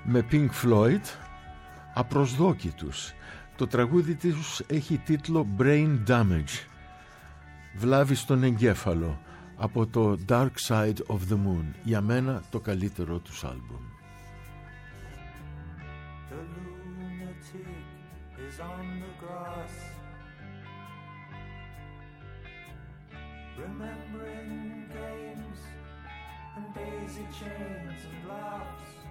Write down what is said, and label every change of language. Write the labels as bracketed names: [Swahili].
[Greek] Pink Floyd, απροσδόκητους. Το τραγούδι τους έχει τίτλο «Brain Damage», «Βλάβη στον εγκέφαλο», από το Dark Side of the Moon, για μένα το καλύτερο του άλμπουμ. [English] The lunatic is on the grass, remembering games and daisy chains and laughs.